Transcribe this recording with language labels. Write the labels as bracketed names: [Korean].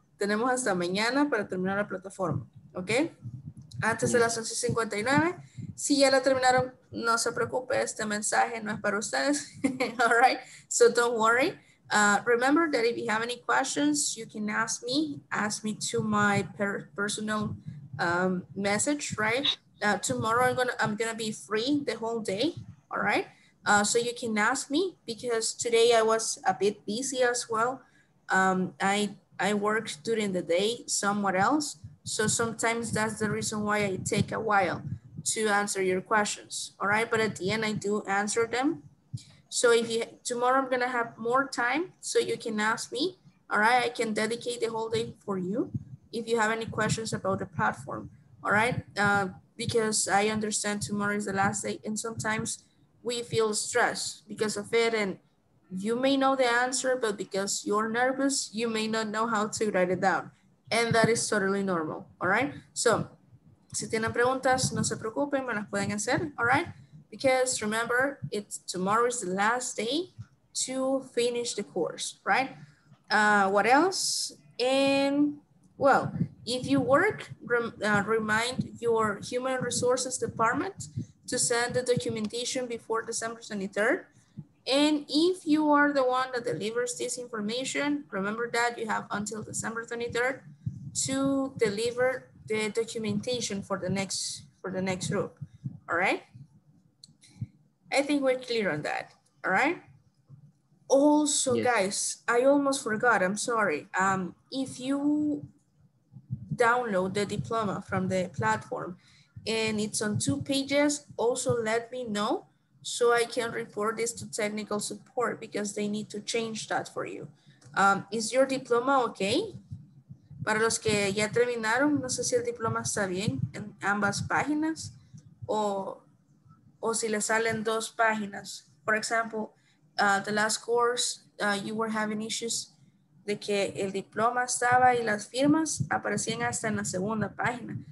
[Spanish] Tenemos hasta mañana para terminar la plataforma, ¿ok? Antes de las 11:59, si ya la terminaron, no se preocupe, este mensaje no es para ustedes. [English] All right, so don't worry. Remember that if you have any questions, you can ask me to my personal message, right? Tomorrow I'm gonna be free the whole day, all right? So you can ask me because today I was a bit busy as well. I worked during the day somewhere else. So sometimes that's the reason why I take a while to answer your questions. All right, but at the end I do answer them. So if you tomorrow I'm gonna have more time, so you can ask me. All right, I can dedicate the whole day for you if you have any questions about the platform. All right, because I understand tomorrow is the last day, and sometimes we feel stressed because of it. And you may know the answer, but because you're nervous, you may not know how to write it down. And that is totally normal, all right? So, [Spanish] si tienen preguntas, no se preocupen, me las pueden hacer, [English] all right? Because remember, tomorrow is the last day to finish the course, right? What else? And, well, if you work, remind your human resources department to send the documentation before December 23rd. And if you are the one that delivers this information, remember that you have until December 23rd to deliver the documentation for the next group. All right, I think we're clear on that. All right, also Yes. guys, I almost forgot, I'm sorry. If you download the diploma from the platform and it's on two pages, also let me know so I can report this to technical support because they need to change that for you. Is your diploma okay? [Spanish] Para los que ya terminaron, no sé si el diploma está bien en ambas páginas o si le salen dos páginas. [English] For example, the last course, you were having issues [Spanish] de que el diploma estaba y las firmas aparecían hasta en la segunda página.